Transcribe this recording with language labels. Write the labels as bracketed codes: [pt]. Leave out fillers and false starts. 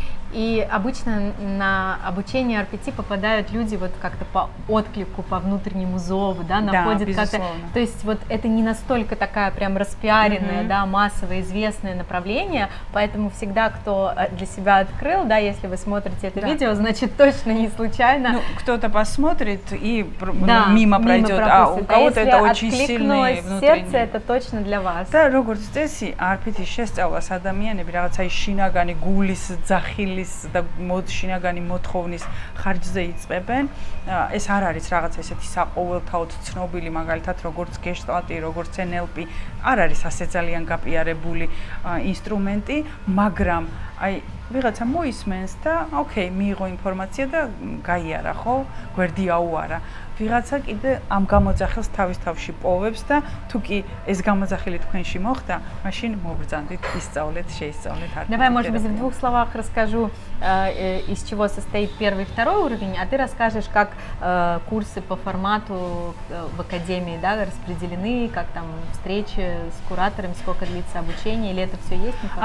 [ru] И обычно на обучение RPT попадают люди вот как-то по отклику, по внутреннему зову, да, находят как-то. То есть вот это не настолько такая прям распиаренная, да, массово известное направление, поэтому всегда кто для себя открыл, да, если вы смотрите это видео, значит точно не случайно. Ну, кто-то посмотрит и мимо пройдет, а у кого-то это очень сильный внутренний. Если откликнулось сердце, это точно для вас. [ka] Да, როგორც წესი, RPT 6 у вас ადამიანები, რაღაცაი შინაგანი გულის ძახი ლის და შინაგანი მოთხოვნის ხარჯზე იწებენ. ეს არ არის რაღაც ესეთი საყოველთაოდ ცნობილი, მაგალითად როგორც გეშტალტი, როგორც NLP, არ არის ასე ძალიან გაპიარებული ინსტრუმენტი, მაგრამ აი ვიღაცა მოისმენს და ოკეი, მიიღო ინფორმაცია და გაიარა, ხო? გვერდი აუარა. ვიღაცა კიდე ამ გამოძახილს თავის თავში პოვებს და თუ კი ეს გამოძახილი თქვენში მოხდა, მაშინ მოგბრძანდით, ისწავლეთ, შეისწავლეთ. [ru] Давай, может быть, в двух словах расскажу, из чего состоит первый и второй уровень, а ты расскажешь, как курсы по формату в академии, да, распределены, как там встречи с куратором, сколько длится обучение, или это всё есть?